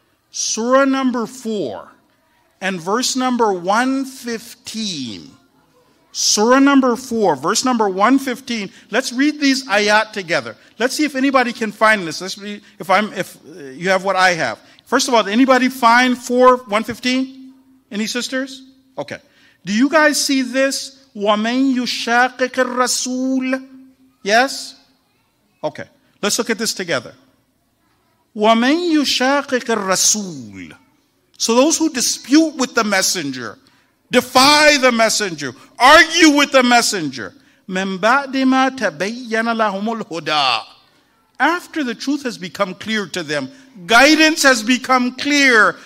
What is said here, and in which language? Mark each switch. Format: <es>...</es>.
<en>Surah number 4 and verse number 115. Surah number 4, verse number 115. Let's read these ayat together. Let's see if anybody can find this. Let's read, if you have what I have. First of all, did anybody find 4:115? Any sisters? Okay. Do you guys see this?</en> <ar>وَمَنْ يُشَاقِقِ الرَّسُولِ</ar> <en>Yes? Okay. Let's look at this together.</en> <ar>وَمَنْ يُشَاقِقِ الرَّسُولِ</ar> <en>So those who dispute with the messenger, defy the messenger, argue with the messenger.</en> <ar>مَنْ بَعْدِ مَا تَبَيَّنَ لَهُمُ الْهُدَى</ar> <en>After the truth has become clear to them, guidance has become clear.</en>